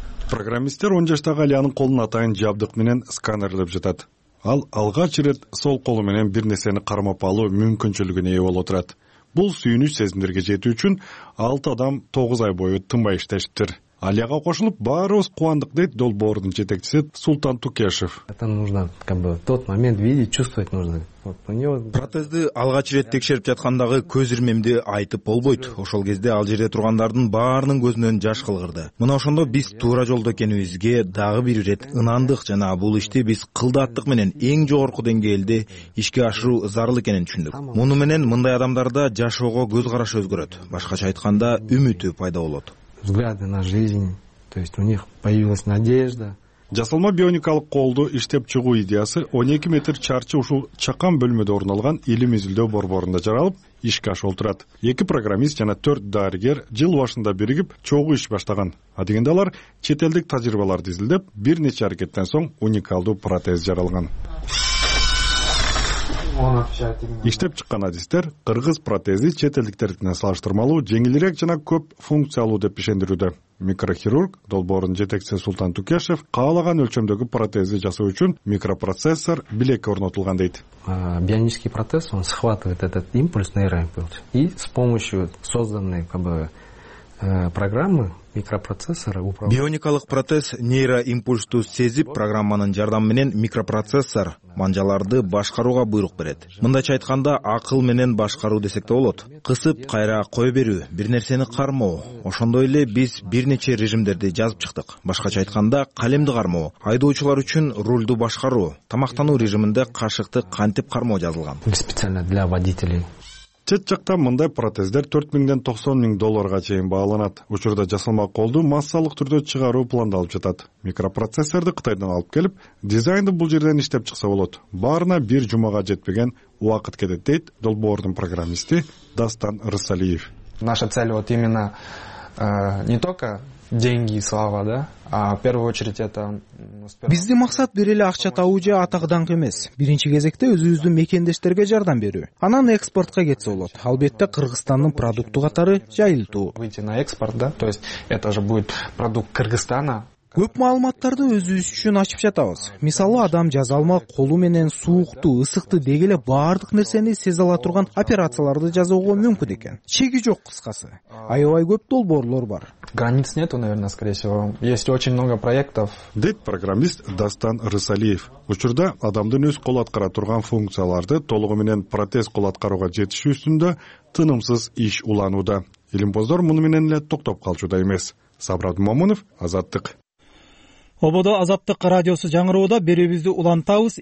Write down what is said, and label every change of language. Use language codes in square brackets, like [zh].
[ky] Программисттер 10 жаштагы Алиянын колун атайын жабдык менен сканерлеп жатат. Ал алгач ирет сол колу менен бир нерсени кармап алуу мүмкүнчүлүгүнө ээ болуп отурат. Бул сүйүнүч сезимдерге жетүү үчүн 6 адам 9 ай бою тынбай иштешиптир. Алияга кошулуп баарыбыз куандык, дейт долбоордун жетекчиси Султан Тукешев. [ru] Это нужно как бы тот момент видеть, чувствовать нужно. [ky] Протезди алгач ирет текшерип жаткандагы көз ирмемди айтып болбойт. Ошол кезде ал жерде тургандардын баарынын көзүнөн жаш кылгырды. Мына ошондо биз туура жолдо экенибизге дагы бир ирет ынандык жана бул ишти биз кылдаттык менен эң жогорку деңгээлде ишке ашыруу зарыл экенин түшүндүк. Муну менен мындай адамдарда жашоого көз караш өзгөрөт. Башкача айтканда үмүтү пайда болот. [ru] Взгляды на жизнь, то есть у них появилась надежда. [ky] Жасалма бионикалык колду иштеп чыгуу идеясы 12 метр чарчы ушул чакан бөлмөдө орун алган илим изилдөө борборунда жаралып, ишке ашылтырат. Эки программист жана 4 дарыгер жыл башында биригип чогуу иш баштаган. Адегенде алар чет элдик тажрыйбаларды изилдеп, бир нече аракеттен соң уникалдуу протез жаралган. Иштеп чыккан адистер кыргыз протези чет элдиктердин салыштырмалуу жеңилирээк жана көп функциялуу деп ишендирүүдө. Микрохирург долбоорун жетекчиси Султан Тукешев каалаган өлчөмдөгү протезди жасоо үчүн микропроцессор билекке орнотулган дейт. [ru] Бионический протез он схватывает этот импульс, нейроимпульс, и с помощью созданной как бы программы микропроцессора управляет. [ky] Бионикалык протез нейроимпульсту сезип, программанын жардамы менен микропроцессор манжаларды башкарууга буйрук берет. Мындайча айтканда акыл менен башкаруу десек да болот. Кысып кайра кое берүү, бир нерсени кармоо. Ошондой эле биз бир нече режимдерди жазып чыктык. Башкача айтканда калемди кармоо, айдоочулар үчүн рульду башкаруу, тамактануу режиминде кашыкты кантип кармоо жазылган. [ru] Специально для водителей. [ky] Чет жакта мындай протездер 4,000-90,000 долларга чейин бааланат. Учурда жасалма колду массалык түрдө чыгаруу пландалып жатат. Микропроцессорду Кытайдан алып келип, дизайнды бул жерден иштеп чыкса болот. Баарына бир жумага жетпеген убакыт кетет, дейт долбоордун программисти Дастан Рысалиев. [ru] Наша цель вот именно не только деньги и слава, да? А в первую очередь это... [ky] Биздин максат бир эле акча табуу же атак даңк эмес. Биринчи кезекте өзүбүздүн мекендештерге жардам берүү. Анан экспортко кетсе болот. Албетте Кыргызстандын продукту катары жайылтуу. [ru] Выйти на экспорт, да? То есть это же будет продукт Кыргызстана. [ky] Көп маалыматтарды өзүбүз үчүн ачып жатабыз. Мисалы, адам жазалма колу менен суукту, ысыкты дей эле баардык нерсени сезе ала турган операцияларды жазууга мүмкүн экен. Чеги жок кыскасы. Аябай көп долбоорлор бар. [ru] Границ нету, наверное, скорее всего. Есть очень много проектов. [ky] Дейт программист Дастан Рысалиев. Учурда адамдын өз кол аткара турган функцияларды толугу менен протез кол аткарууга жетишүү үстүндө тынымсыз иш уланууда. Илимпоздор муну менен эле токтоп калчууда эмес. Сабрат Момунов, Азаттык. Ободо Азаттык радиосу жаңырууда берүүбүздү улантабыз.